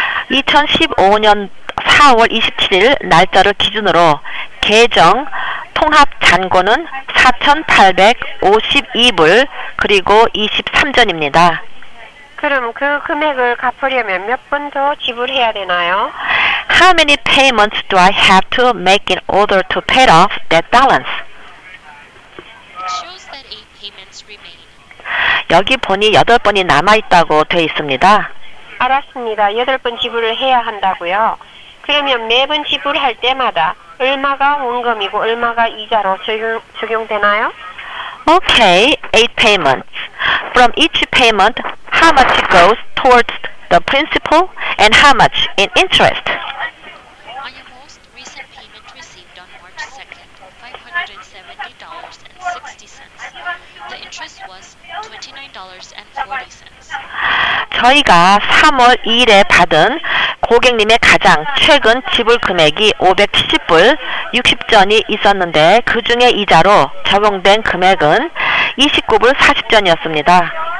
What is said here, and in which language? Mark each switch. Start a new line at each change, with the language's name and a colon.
Korean: 2015년 4월 27일 날짜를 기준으로 계정 통합 잔고는 4,852불 그리고 23전입니다. 그럼 그 금액을 갚으려면 몇 번 더 지불해야 되나요?
English: How many payments do I have to make in order to pay off that balance? It shows that 8 payments remain.
Korean: 여기 보니 8번이 남아있다고 되어 있습니다. 알았습니다. 8번 지불을 해야 한다고요? 그러면 매번 지불할 때마다 얼마가 원금이고 얼마가 이자로 적용되나요?
English: Okay, 8 payments. From each payment, how much goes towards the principal and how much in interest? On your most recent payment received on March 2nd, $570.60. The interest was $29.40.
Korean: 저희가 3월 2일에 받은 고객님의 가장 최근 지불 금액이 570불 60전이 있었는데 그 중에 이자로 적용된 금액은 29불 40전이었습니다.